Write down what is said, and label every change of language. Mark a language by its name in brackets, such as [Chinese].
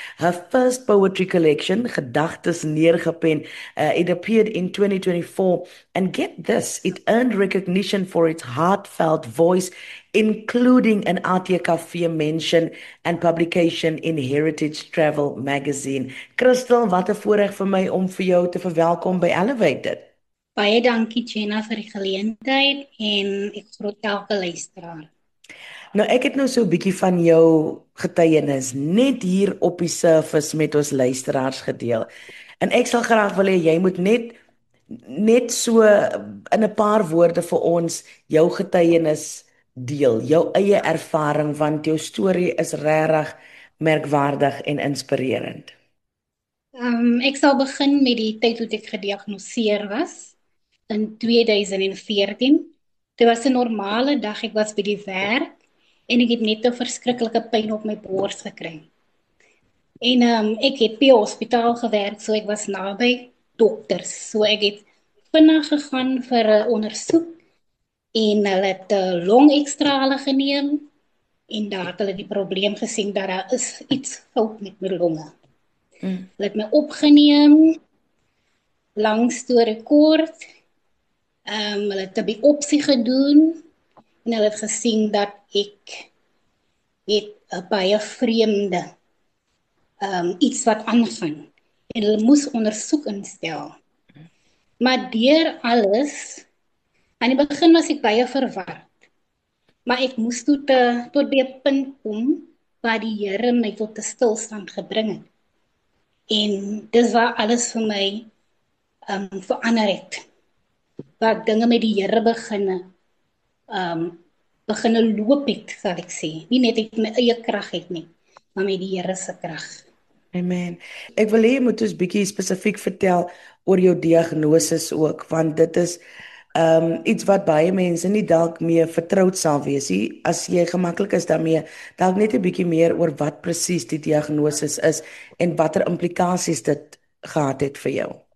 [English] Her first poetry collection, Gedagtes neergepen, it appeared in 2024 and get this, it earned recognition for its heartfelt voice, including an Atia Cafe mention and publication in Heritage Travel magazine. [Afrikaans] Crystal, wat 'n voorreg vir my om vir jou te verwelkom by Elevated. Baie dankie Jenna vir die geleentheid en ek groet elke luisteraar. Nou ek het nou so 'n bietjie van jou getuienis net hier op die surface met ons luisteraars gedeel. En ek sal graag wil hê jy moet net so in 'n paar woorde vir ons jou getuienis deel, jou eie ervaring, want jou storie is regtig merkwaardig en inspirerend. Ek sal begin met die tyd toe ek gediagnoseer was in 2014. Dit was 'n normale dag, ek was by die werk en ek het net 'n verskriklike pyn op my bors gekry. En ek het by die hospitaal gewerk, so ek was naby dokters. So ek het vinnig gegaan vir 'n ondersoek en hulle het longextrale geneem en daar het hulle die probleem gesien dat daar is iets fout met my longe. Hulle het my opgeneem, lang storie kort. Hulle het 'n biopsie gedoen en hulle het gesien dat ek het 'n baie vreemde iets wat aangaan en hulle moes ondersoek instel. Maar deur alles, aan die begin was ek baie verward. Maar ek moes tot die punt kom waar die Here my tot 'n stilstand gebring het. En dis waar alles vir my verander het. Waar ek dinge met die Here beginne loop het, sal ek sê. Nie net ek my eie krag het nie, maar met die Here se krag. Amen. Ek wil hê jy moet ons bietjie spesifiek vertel oor jou diagnose ook, want dit is iets wat baie mense nie dalk mee vertroud sal wees nie. As jy gemaklik is daarmee, dalk net 'n bietjie meer oor wat presies die diagnose is en watter implikasies dit gehad het vir jou.